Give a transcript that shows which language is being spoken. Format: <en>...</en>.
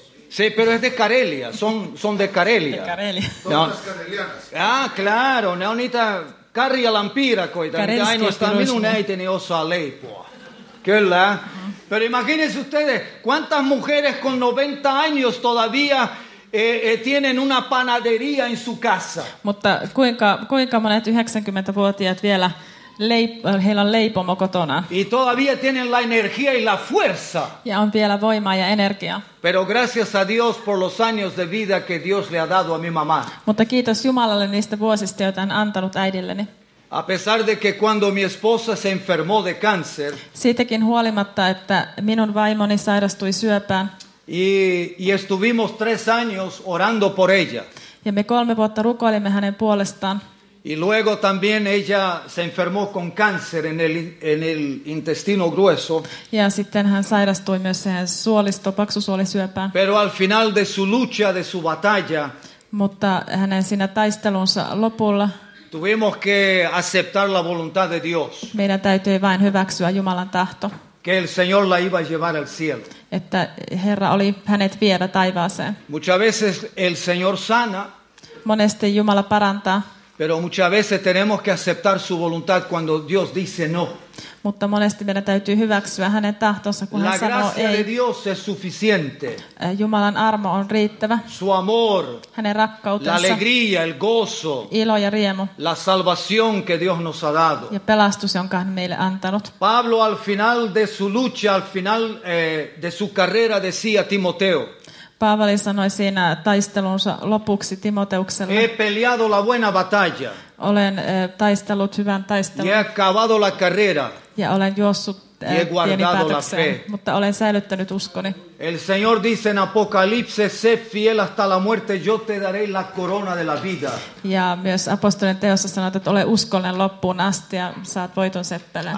<es>Sí, pero es de Karelia, son de Karelia. De Karelia. No. Son las karelianas. Ah, claro, neonita.</es> <fi>Karjalan piirakoita, mitä ainoastaan minun äitini osaa leipoa. Kyllä.</fi> <es>Pero imagínense ustedes, ¿cuántas mujeres con 90 años todavía tienen una panadería en su casa?</es> <fi>Mutta kuinka monet 90-vuotiaat vielä heillä on leipomo kotona?</fi> <es>Y todavía tienen la energía y la fuerza.</es> <fi>Ja on vielä voimaa ja energiaa.</fi> <es>Pero gracias a Dios por los años de vida que Dios le ha dado a mi mamá.</es> <fi>Mutta kiitos Jumalalle niistä vuosista, joita hän antanut äidilleni.</fi> <es>A pesar de que cuando mi esposa se enfermó de cáncer.</es> <fi>Siitäkin huolimatta, että minun vaimoni sairastui syöpään.</fi> <es>Y estuvimos 3 años orando por ella.</es> <fi>Ja me 3 vuotta rukoilimme hänen puolestaan.</fi> <es>Y luego también ella se enfermó con cáncer en el intestino grueso.</es> <fi>Ja sitten hän sairastui myös siihen paksusuolisyöpään.</fi> <es>Pero al final de su lucha, de su batalla.</es> <fi>Mutta hänen siinä taistelunsa lopulla.</fi> <es>Tuvimos que aceptar la voluntad de Dios.</es> <fi>Meidän täytyy vain hyväksyä Jumalan tahto.</fi> <es>que el Señor la iba a llevar al cielo.</es> <fi>Että Herra oli hänet viedä taivaaseen.</fi> <es>Muchas veces el Señor sana.</es> <fi>Monesti Jumala parantaa.</fi> <es>Pero muchas veces tenemos que aceptar su voluntad cuando Dios dice no.</es> <fi>Mutta monesti meidän täytyy hyväksyä hänen tahtonsa, kun hän sanoo ei.</fi> <es>La gracia de Dios es suficiente.</es> <fi>Jumalan armo on riittävä.</fi> <es>Su amor.</es> <fi>Hänen rakkautensa.</fi> <es>La alegría, el gozo.</es> <fi>Ilo ja riemu.</fi> <es>La salvación que Dios nos ha dado.</es> <fi>Ja pelastus, jonka hän meille antanut.</fi> <es>Pablo al final de su lucha, al final de su carrera decía Timoteo.</es> <fi>Paavali sanoi siinä taistelunsa lopuksi Timoteukselle.</fi> <es>He peleado la buena batalla.</es> <fi>Olen taistellut hyvän taistelun.</fi> <es>He acabado la carrera.</es> <fi>Ja olen juossut tieni päätökseen, mutta olen säilyttänyt uskoni.</fi> <es>El Señor dice en Apocalipsis, sé fiel hasta la muerte, yo te daré la corona de la vida.</es> <fi>Ja myös apostolien teossa sanoo, että ole uskollinen loppuun asti ja saat voiton seppeleen.</fi>